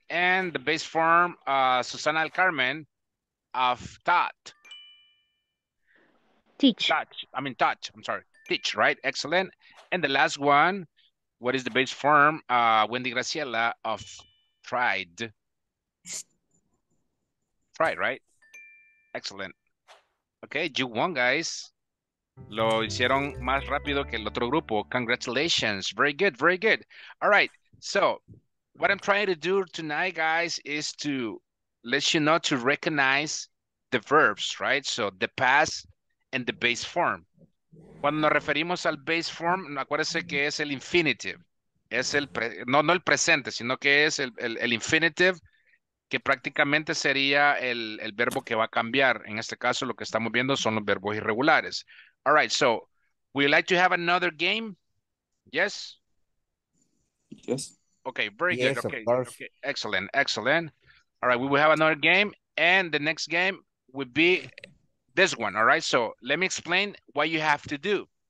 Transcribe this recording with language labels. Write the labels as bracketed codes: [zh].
[en] And the base form, Susana El Carmen, of teach, right? Excellent. And the last one, what is the base form, Wendy Graciela, of tried, right? Excellent. Okay, you won, guys. [es] Lo hicieron más rápido que el otro grupo. [en] Congratulations. Very good, very good. All right, so what I'm trying to do tonight, guys, is to let you know to recognize the verbs, right? So the past and the base form. [es] Cuando nos referimos al base form, acuérdese que es el infinitive. Es el, no el presente, sino que es el infinitive, que prácticamente sería el verbo que va a cambiar. En este caso, lo que estamos viendo son los verbos irregulares. [en] All right, so, would you like to have another game? Yes? Yes. Okay, very good. Okay. Excellent. All right, we will have another game, and the next game would be this one, all right? So let me explain what you have to do.